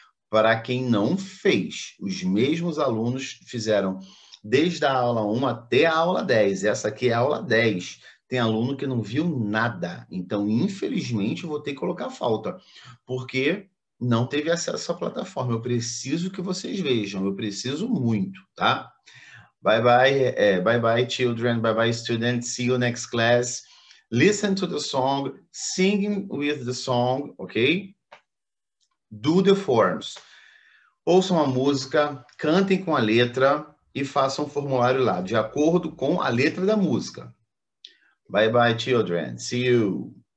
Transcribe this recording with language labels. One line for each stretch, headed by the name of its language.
Portuguese: Para quem não fez, os mesmos alunos fizeram desde a aula 1 até a aula 10. Essa aqui é a aula 10. Tem aluno que não viu nada. Então, infelizmente, eu vou ter que colocar falta, porque não teve acesso à plataforma. Eu preciso que vocês vejam. Eu preciso muito, tá?
English: Bye bye, bye bye children, bye bye students, see you next class. Listen to the song, singing with the song, ok? Do the forms.
Portuguese: Ouçam a música, cantem com a letra e façam um formulário lá, de acordo com a letra da música.
English: Bye bye children, see you.